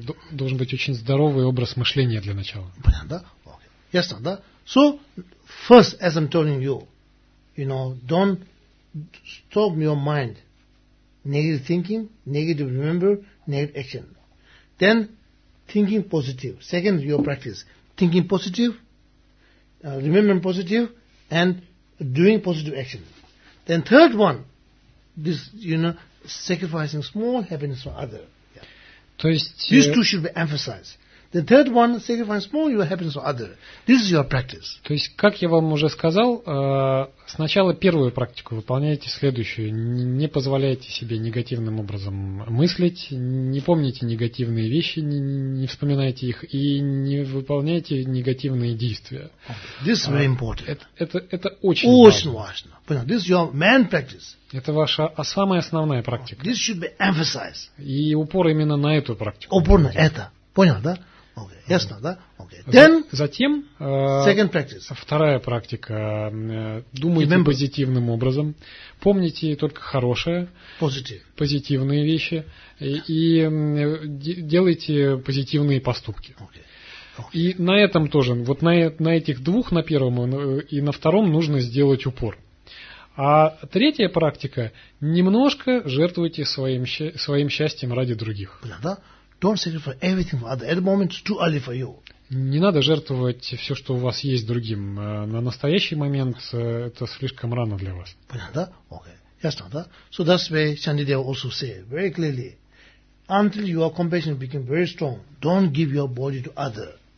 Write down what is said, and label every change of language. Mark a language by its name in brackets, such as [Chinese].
[Russian] Должен быть очень здоровый образ мышления для начала. Понятно, да? Okay. Ясно, да? [English] So, first, as I'm telling you, you know, don't stop your mind. Negative thinking, negative remember, negative action. Then, thinking positive. Second, your practice. Thinking positive, remembering positive, and doing positive action. Then third one, this, you know, sacrificing small happiness for other. Yeah. [Russian] То есть, [English] these two should be emphasized. The third one, sacrificing small your happiness for other. This is your practice. [Russian] То есть, как я вам уже сказал, сначала первую практику выполняете, следующую. Не позволяйте себе негативным образом мыслить, не помните негативные вещи, не вспоминайте их и не выполняйте негативные действия. [English] Okay. This is very important. [Russian] Это очень важно. [English] Понятно. This is your main practice. [Russian] Это ваша самая основная практика. [English] This should be emphasized. [Russian] И упор именно на эту практику. Упор на это. Понял, да? Okay. Ясно, да? Okay. Then, затем [English] second practice. [Russian] Вторая практика. Думайте [English] remember. [Russian] Позитивным образом. Помните только хорошее. [English] Positive. [Russian] Позитивные вещи. И делайте позитивные поступки. Okay. И на этом тоже. Вот на этих двух, на первом и на втором, нужно сделать упор. А третья практика. Немножко жертвуйте своим счастьем ради других. Да? [English] Don't sacrifice everything for others. At the moment, it's too early for you. [Russian] Не надо жертвовать все, что у вас есть, другим. На настоящий момент это слишком рано для вас. Понятно, да? Okay. Ясно, да? [English] So that's why Shantideva also say very clearly, until your compassion becomes very strong, don't give your body to others.